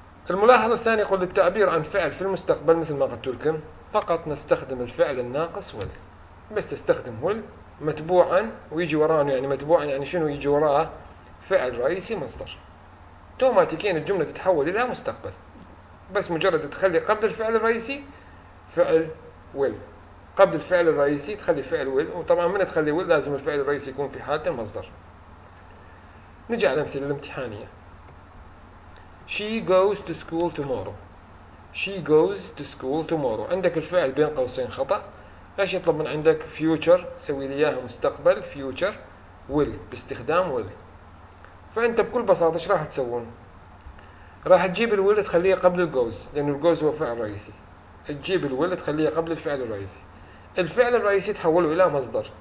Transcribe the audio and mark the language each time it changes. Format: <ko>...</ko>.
<ar>الملاحظة الثانية يقول للتعبير عن فعل في المستقبل مثل ما قلت لكم فقط نستخدم الفعل الناقص will، بس تستخدم will متبوعا ويجي وراه، يعني متبوعا يعني شنو؟ يجي وراه فعل رئيسي مصدر، توماتيكيا الجملة تتحول إلى مستقبل، بس مجرد تخلي قبل الفعل الرئيسي فعل will، قبل الفعل الرئيسي تخلي فعل will، وطبعا من تخلي will لازم الفعل الرئيسي يكون في حالة المصدر. نجي على الأمثلة الامتحانية.</ar> <en>She goes to school tomorrow. She goes to school tomorrow.</en> <ar>عندك الفعل بين قوسين خطأ. إيش يطلب من عندك؟ future. سوي لي إياها مستقبل. future. will. باستخدام will. فأنت بكل بساطة إيش راح تسوون؟ راح تجيب ال will تخليه قبل ال goes، لأن ال goes هو فعل رئيسي. تجيب ال will تخليه قبل الفعل الرئيسي. الفعل الرئيسي تحوله إلى مصدر.</ar>